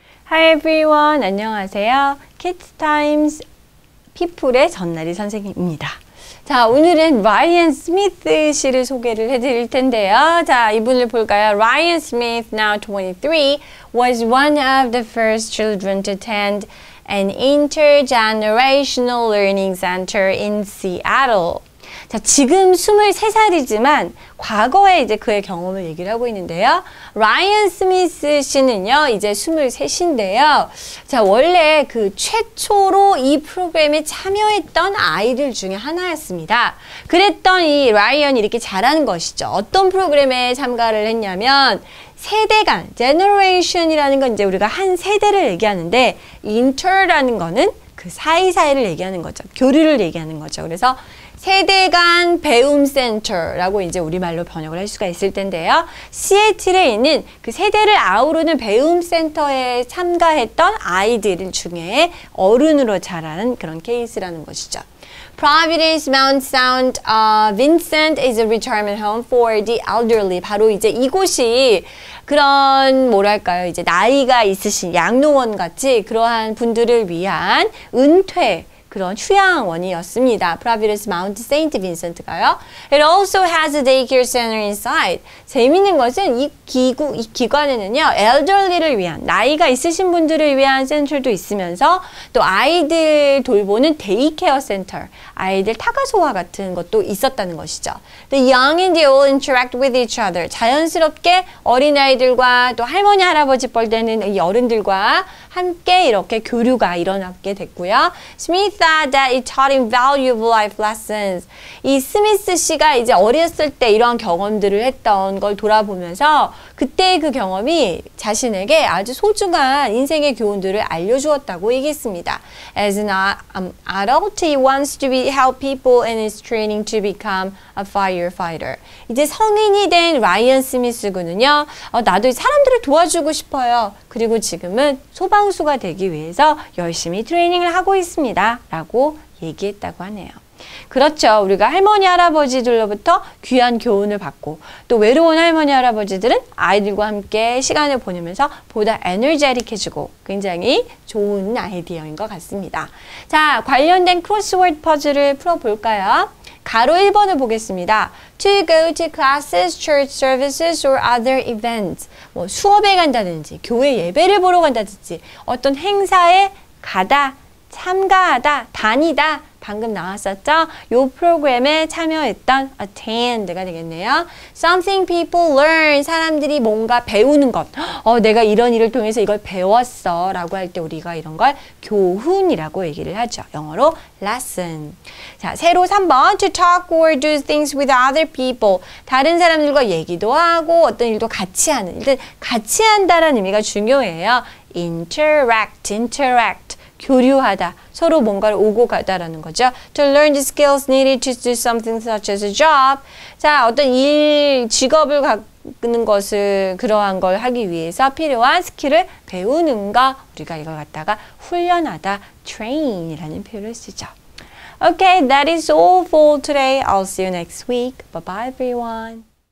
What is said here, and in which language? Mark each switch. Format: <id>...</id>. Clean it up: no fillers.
<en>Hi everyone,</en> <ko>안녕하세요. Kids Times People의 전나리 선생님입니다. 자, 오늘은 Ryan Smith 씨를 소개를 해드릴 텐데요. 자, 이분을 볼까요?</ko> <en>Ryan Smith, now 23, was one of the first children to attend an intergenerational learning center in Seattle.</en> <ko>자, 지금 23살이지만 과거에 이제 그의 경험을 얘기를 하고 있는데요. 라이언 스미스 씨는요, 이제 23인데요. 자, 원래 그 최초로 이 프로그램에 참여했던 아이들 중에 하나였습니다. 그랬던 이 라이언이 이렇게 잘한 것이죠. 어떤 프로그램에 참가를 했냐면, 세대 간, generation이라는 건 이제 우리가 한 세대를 얘기하는데, inter라는 거는 그 사이사이를 얘기하는 거죠. 교류를 얘기하는 거죠. 그래서 세대 간 배움 센터라고 이제 우리말로 번역을 할 수가 있을 텐데요. 시애틀에 있는 그 세대를 아우르는 배움 센터에 참가했던 아이들 중에 어른으로 자라는 그런 케이스라는 것이죠.</ko> <en>Providence Mount Saint Vincent is a retirement home for the elderly.</en> <ko>바로 이제 이곳이 그런 뭐랄까요? 이제 나이가 있으신 양로원 같이 그러한 분들을 위한 은퇴 그런 휴양원이었습니다. Providence Mount Saint Vincent가요.</ko> <en>It also has a daycare center inside.</en> <ko>재미있는 것은 이 기관에는요, elderly를 위한, 나이가 있으신 분들을 위한 센터도 있으면서 또 아이들 돌보는 데이케어 센터, 아이들 타가소화 같은 것도 있었다는 것이죠.</ko> <en>The young and the old interact with each other.</en> <ko>자연스럽게 어린아이들과 또 할머니, 할아버지 뻘 되는 이 어른들과 함께 이렇게 교류가 일어났게 됐고요.</ko> <en>Smith thought that it taught him valuable life lessons.</en> <ko>이 스미스 씨가 이제 어렸을 때 이런 경험들을 했던 걸 돌아보면서 그때 그 경험이 자신에게 아주 소중한 인생의 교훈들을 알려주었다고 얘기했습니다.</ko> <en>As an adult, he wants to help people in his training to become a firefighter.</en> <ko>이제 성인이 된 라이언 스미스 군은요, 나도 사람들을 도와주고 싶어요. 그리고 지금은 소방수가 되기 위해서 열심히 트레이닝을 하고 있습니다. 라고 얘기했다고 하네요. 그렇죠. 우리가 할머니, 할아버지들로부터 귀한 교훈을 받고 또 외로운 할머니, 할아버지들은 아이들과 함께 시간을 보내면서 보다 에너제틱해지고 굉장히 좋은 아이디어인 것 같습니다. 자, 관련된 크로스워드 퍼즐을 풀어볼까요? 가로 1번을 보겠습니다.</ko> <en>To go to classes, church services, or other events.</en> <ko>뭐 수업에 간다든지 교회 예배를 보러 간다든지 어떤 행사에 가다, 참가하다, 다니다 방금 나왔었죠? 요 프로그램에 참여했던 attend가 되겠네요.</ko> <en>Something people learn.</en> <ko>사람들이 뭔가 배우는 것. 내가 이런 일을 통해서 이걸 배웠어. 라고 할 때 우리가 이런 걸 교훈이라고 얘기를 하죠. 영어로 lesson. 자, 새로 3번.</ko> <en>To talk or do things with other people.</en> <ko>다른 사람들과 얘기도 하고 어떤 일도 같이 하는. 일단 같이 한다라는 의미가 중요해요.</ko> <en>Interact, interact. 교류하다.</en> <ko>서로 뭔가를 오고 가다라는 거죠.</ko> <en>To learn the skills needed to do something such as a job.</en> <ko>자, 어떤 일, 직업을 갖는 것을 그러한 걸 하기 위해서 필요한 스킬을 배우는 것. 우리가 이걸 갖다가 훈련하다, train이라는 표현을 쓰죠.</ko> <en>Okay, that is all for today. I'll see you next week. Bye-bye, everyone.</en>